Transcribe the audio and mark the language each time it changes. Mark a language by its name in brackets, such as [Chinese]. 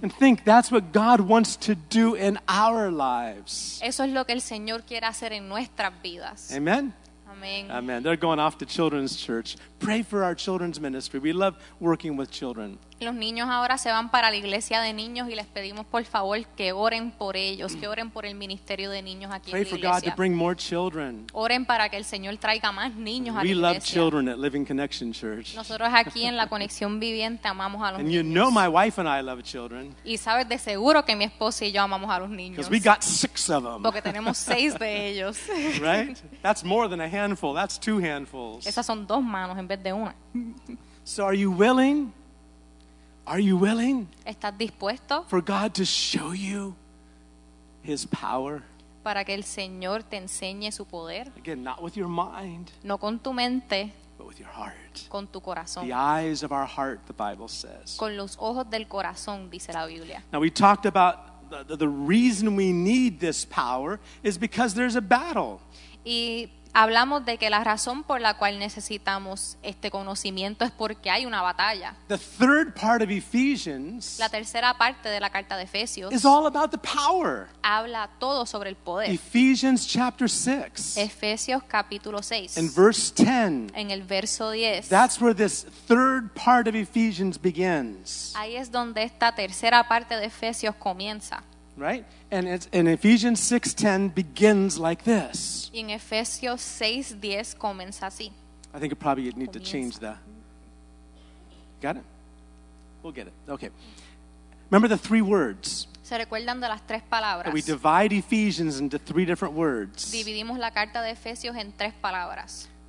[English] And think, that's what God wants to do in our lives. [Spanish] Eso es lo que el Señor quiere hacer en nuestras vidas. [English] Amen. Amen. Amen. They're going off to children's church. Pray for our children's ministry. We love working with children. [Spanish] Los niños ahora se van para la iglesia de niños y les pedimos por favor que oren por ellos, que oren por el ministerio de niños aquí en la iglesia. [English] Pray for God to bring more children. [Spanish] Oren para que el Señor traiga más niños a la iglesia. [English] We love children at Living Connection Church. [Spanish] Nosotros aquí en la Conexión Viviente amamos a los niños. [English] And you know my wife and I love children. [Spanish] Y sabes de seguro que mi esposa y yo amamos a los niños. [English] Because we got six of them. [Spanish] Porque tenemos seis de ellos. [English] Right? That's more than a handful. That's two handfuls. [Spanish] Esas son dos manos en vez de una. [English] So are you willing? Are you willing? [Spanish] ¿Estás dispuesto? [English] For God to show you His power. [Spanish] Para que el Señor te enseñe su poder. [English] Again, not with your mind. [Spanish] No con tu mente. [English] But with your heart. [Spanish] Con tu corazón. [English] The eyes of our heart, the Bible says. [Spanish] Con los ojos del corazón, dice la Biblia. [English] Now we talked about the reason we need this power is because there's a battle. [Spanish] Y hablamos de que la razón por la cual necesitamos este conocimiento es porque hay una batalla. [English] The third part of Ephesians, [Spanish] la tercera parte de la carta de Efesios, [English] is all about the power. [Spanish] Habla todo sobre el poder. [English] Ephesians chapter 6. [Spanish] Efesios capítulo 6. [English] In verse 10. [Spanish] En el verso 10. [English] That's where this third part of Ephesians begins. [Spanish] Ahí es donde esta tercera parte de Efesios comienza. [English] Right? And it's in Ephesians 6:10 begins like this. [Spanish] En Efesios 6:10 comienza así. [English] I think you probably need comienza. To change that. Got it? We'll get it. Okay. Remember the three words. [Spanish] Se recuerdan de las tres palabras. [English] We divide Ephesians into three different words. [Spanish] Dividimos la carta de Efesios en tres palabras.